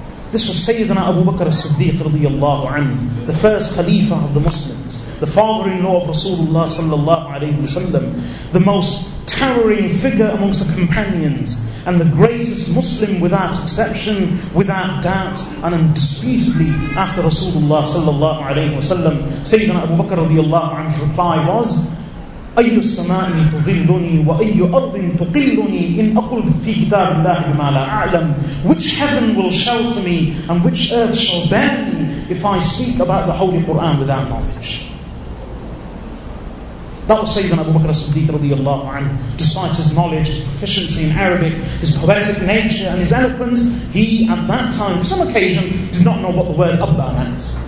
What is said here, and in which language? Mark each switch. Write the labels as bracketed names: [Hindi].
[English] This was Sayyidina Abu Bakr as-Siddiq radiallahu anhu, the first Khalifa of the Muslims, the father-in-law of Rasulullah sallallahu alayhi wa sallam, the most towering figure amongst the companions, and the greatest Muslim without exception, without doubt, and undisputedly after Rasulullah sallallahu alayhi wa sallam. Sayyidina Abu Bakr radiallahu anhu's reply was, [Arabic] أي السماء تظلني وأي أرض تقلني إن أقل في كتاب الله بما لا أعلم. [English] Which heaven will shelter me and which earth shall bear me if I speak about the Holy Quran without knowledge? That was Sayyidina Abu Bakr as-Siddiq radiallahu anhu. Despite his knowledge, his proficiency in Arabic, his poetic nature and his eloquence, he at that time, for some occasion, did not know what the word Abba meant.